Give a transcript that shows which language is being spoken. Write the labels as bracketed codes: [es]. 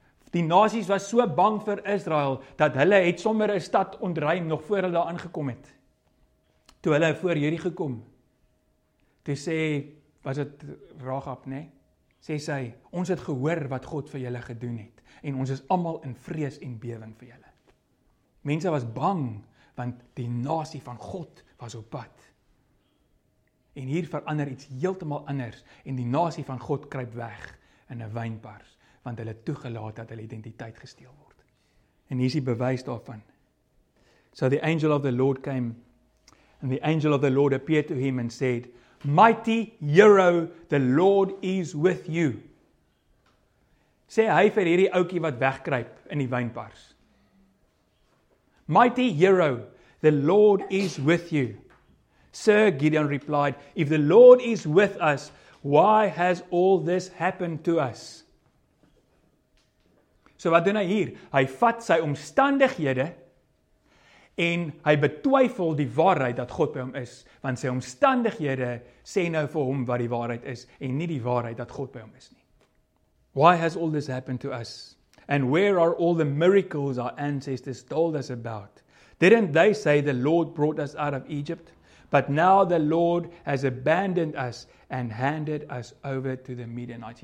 [af] Die nasies was so bang vir Israel, dat hulle het sommer 'n stad ontruim, nog voor hulle daar aangekom het. Toe hulle voor hierdie gekom, toe sê, was het Rahab, nee? Sê sy, ons het gehoor wat God vir julle gedoen het, en ons is allemaal in vrees en bewing vir julle. Mense was bang, want die nasie van God was op pad. En hier verander iets heeltemal anders, en die nasie van God kruip weg in 'n wynpars, want hulle toegelaat dat hulle identiteit gesteel word. En hier is die bewys daarvan. [en] So the angel of the Lord came, and the angel of the Lord appeared to him and said, Mighty hero, the Lord is with you. [af] Sê hy vir hierdie oukie wat wegkruip in die wynpars. [en] Mighty hero, The Lord is with you. Sir, Gideon replied, if the Lord is with us, why has all this happened to us? [af] So wat doen hy hier? Hy vat sy omstandighede en hy betwyfel die waarheid dat God by hom is. Want sy omstandighede sê nou vir hom wat die waarheid is en nie die waarheid dat God by hom is nie. [en] Why has all this happened to us? And where are all the miracles our ancestors told us about? Didn't they say the Lord brought us out of Egypt? But now the Lord has abandoned us and handed us over to the Midianites.